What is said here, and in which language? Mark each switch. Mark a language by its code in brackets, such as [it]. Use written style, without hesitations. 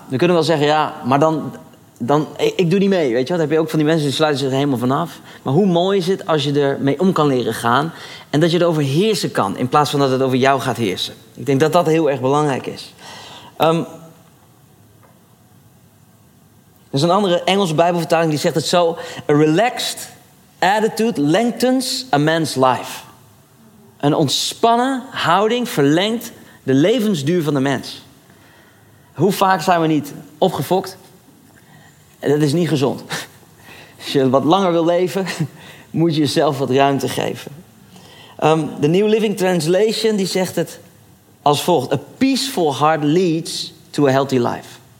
[nl] We kunnen wel zeggen, ja, maar dan, ik doe niet mee, weet je wat? Dan heb je ook van die mensen die sluiten zich er helemaal vanaf. Maar hoe mooi is het als je ermee om kan leren gaan en dat je erover heersen kan in plaats van dat het over jou gaat heersen. Ik denk dat dat heel erg belangrijk is. Er is een andere Engelse Bijbelvertaling die zegt het zo. [en] A relaxed attitude lengthens a man's life. [nl] Een ontspannen houding verlengt de levensduur van de mens. Hoe vaak zijn we niet opgefokt? Dat is niet gezond. Als je wat langer wil leven, moet je jezelf wat ruimte geven. De New Living Translation die zegt het als volgt. [en] A peaceful heart leads to a healthy life.